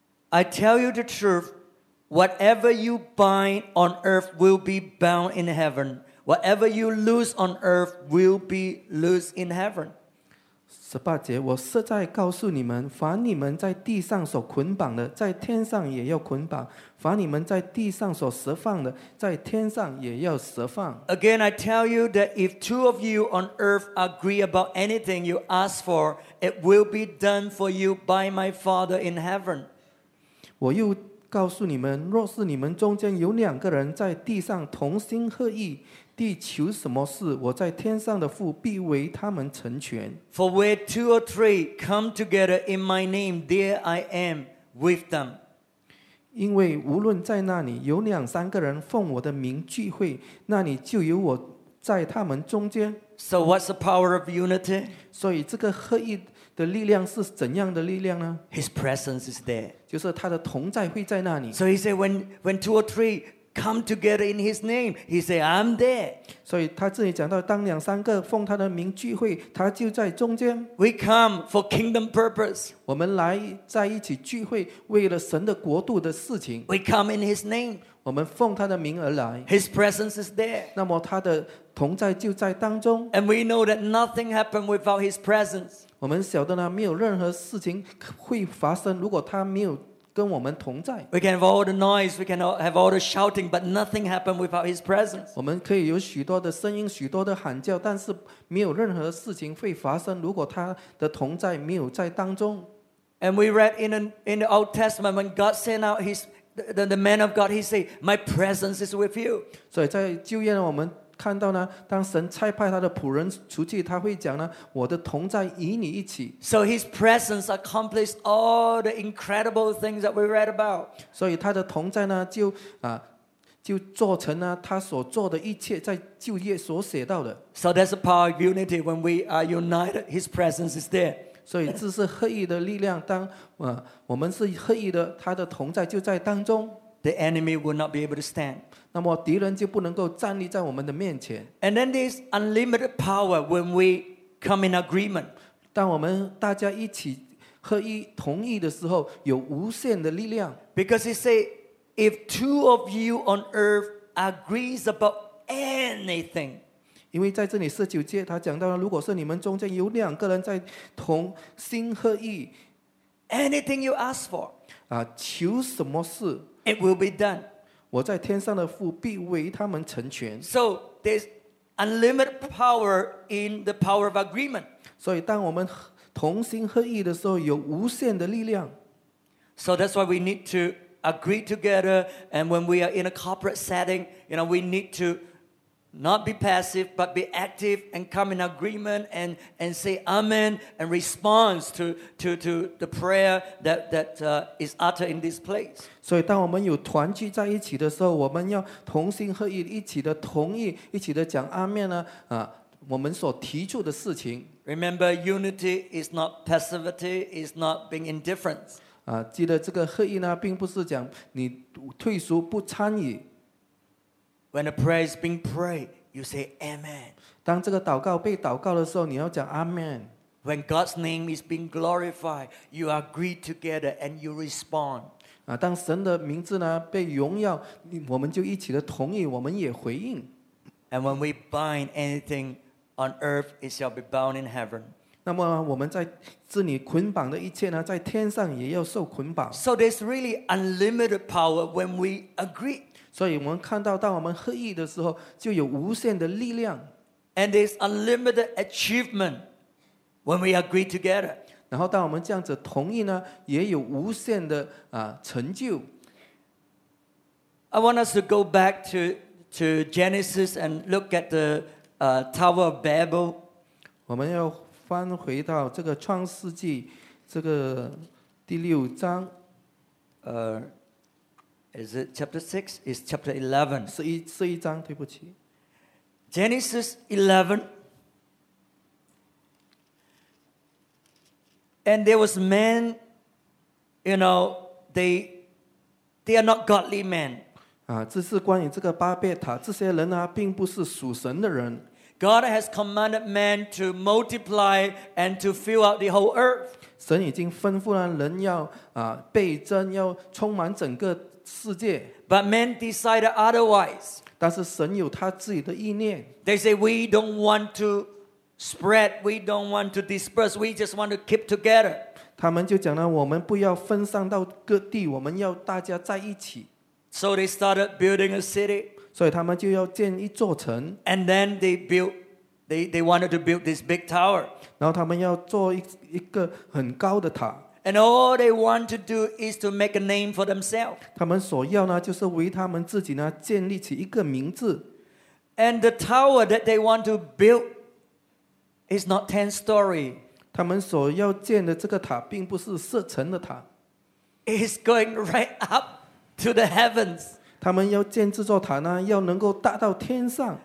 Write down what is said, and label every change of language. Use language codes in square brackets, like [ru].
[en] I tell you the truth Whatever you bind on earth Will be bound in heaven Whatever you loose on earth Will be loose in heaven [zh] 十八节，我实在告诉你们，凡你们在地上所捆绑的，在天上也要捆绑；凡你们在地上所释放的，在天上也要释放。 [en] Again, I tell you that if two of you on earth agree about anything you ask for, it will be done for you by my Father in heaven. [zh] 我又告诉你们，若是你们中间有两个人在地上同心合意。地求什么事，我在天上的父必为他们成全。 [en] For where two or three come together in my name, there I am with them. [zh] 因为无论在那里有两三个人奉我的名聚会，那里就有我在他们中间。 [en] So what's the power of unity? [zh] 所以这个合一的力量是怎样的力量呢 [en] ？His presence is there. [zh] 就是他的同在会在那里。 [en] So he said when two or threeCome together in His name. He said, "I'm there." [zh] 所以他这里讲到，当两三个奉他的名聚会，他就在中间。 [en] We come for kingdom purpose. [zh] 我们来在一起聚会，为了神的国度的事情。 [en] We come in His name. [zh] 我们奉他的名而来。 [en] His presence is there. [zh] 那么他的同在就在当中。 [en] And we know that nothing happened without His presence. [zh] 我们晓得呢，没有任何事情会发生，如果他没有。跟我们同在。 [en] We can have all the noise, we can have all the shouting, but nothing happens without His presence. [zh] 我们可以有许多的声音，许多的喊叫，但是没有任何事情会发生，如果他的同在没有在当中。 [en] And we read in the Old Testament when God sent out His the man of God, He said, "My presence is with you." [zh] 所以在旧约我们看到呢，当神差派他的仆人出去，他会讲呢，我的同在与你一起。 [en] So his presence accomplished all the incredible things that we read about. [zh] 所以他的同在呢，就啊，就做成了他所做的一切，在旧约所写到的。 [en] So that's the power of unity when we are united. His presence is there. [zh] 所以这是合一的力量，当我们是合一的，他的同在就在当中。 [en] The enemy will not be able to stand. [zh] 那么敌人就不能够站立在我们的面前。 [en] And then there's unlimited power when we come in agreement. [zh] 当我们大家一起合一同意的时候，有无限的力量。 [en] Because he said, if two of you on earth agrees about anything. [zh] 因为在这里十九节他讲到了，如果是你们中间有两个人在同心合意， [en] anything you ask for [zh] 啊，求什么事， [en] it will be done， [zh] 我在天上的父必为他们成全。 [en] So there's unlimited power in the power of agreement. [zh] 所以当我们同心合意的时候，有无限的力量。 [en] So that's why we need to agree together, and when we are in a corporate setting, you know, we need toNot be passive, but be active and come in agreement and say amen and respond to the prayer that is uttered in this place. [zh] 所以当我们有团聚在一起的时候，我们要同心合意，一起的同意，一起的讲阿门呢，我们所提出的事情。 [en] Remember, unity is not passivity, it's not being indifferent. [zh] 记得这个合意呢，并不是讲你退缩不参与。 [en] When a prayer is being prayed, you say Amen. [zh] 当这个祷告被祷告的时候，你要讲 Amen. [en] When God's name is being glorified, you agree together and you respond. [zh] 当神的名字呢被荣耀，我们就一起的同意，我们也回应。 [en] And when we bind anything on earth, it shall be bound in heaven. [zh] 那么我们在这里捆绑的一切呢，在天上也要受捆绑。 [en] So there's really unlimited power when we agree. [zh] 所以我们看到当我们合意的时候，就有无限的力量。 [en] And there's unlimited achievement when we agree together. [zh] 然后当我们这样子同意呢，也有无限的成就。 [en] I want us to go back to Genesis and look at the Tower of Babel. [zh] 我们要翻回到这个创世纪这个第六章。 [en] Is it chapter 6? It's chapter 11. [zh] 11章，对不起。 [en] Genesis 11. And there was men, you know, they are not godly men. [zh] 这是关于这个巴别塔，这些人并不是属神的人。 [en] God has commanded men to multiply and to fill out the whole earth. [zh] 神已经吩咐了人要倍增，要充满整个 [en] But men decided otherwise. [zh] 但是神有他自己的意念。 [en] They say we don't want to spread, we don't want to disperse, we just want to keep together. [zh] 他们就讲了，我们不要分散到各地，我们要大家在一起。 [en] So they started building a city. [zh] 所以他们就要建一座城。 [en] And then they wanted to build this big tower. [zh] 然后他们要做一个很高的塔。 [en] And all they want to do is to make a name for themselves. [zh] 他们所要呢，就是为他们自己呢建立起一个名字。 [en] And the tower that they want to build is not 10 story. [zh] 他们所要建的这个塔并不是十层的塔。 [en] It's going right up to the heavens. [zh] 他们要建这座塔呢，要能够达到天上。